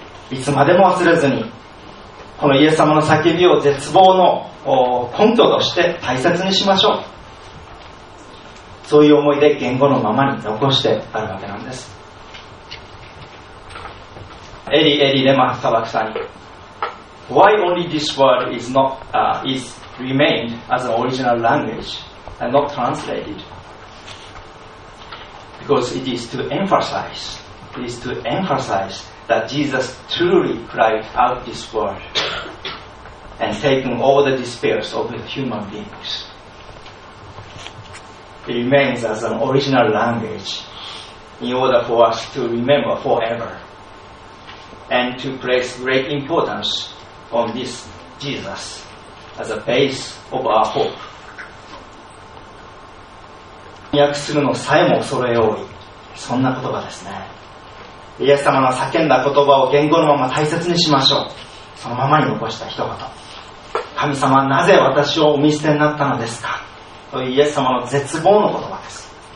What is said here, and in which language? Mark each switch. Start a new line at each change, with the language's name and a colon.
Japanese: いつまでも忘れずに、このイエス様の叫びを絶望の根拠として大切にしましょう。そういう思いで言語のままに残してあるわけなんです。
English: エリエリレマサバクタニ、 Why only this word is not is remained as an original language and not translated? Because it is to emphasize, it is to emphasize that Jesus truly cried out this word and taken all the despairs of the human beingsIt remains as an original language in order for us to remember forever and to place great importance on this Jesus as a base of our hope.
Japanese: 翻訳するのさえも恐れ多い、そんな言葉ですね。イエス様の叫んだ言葉を言語のまま大切にしましょう。そのままに残した一言、神様なぜ私をお見捨てになったのですかというイエス様の絶望の言葉です。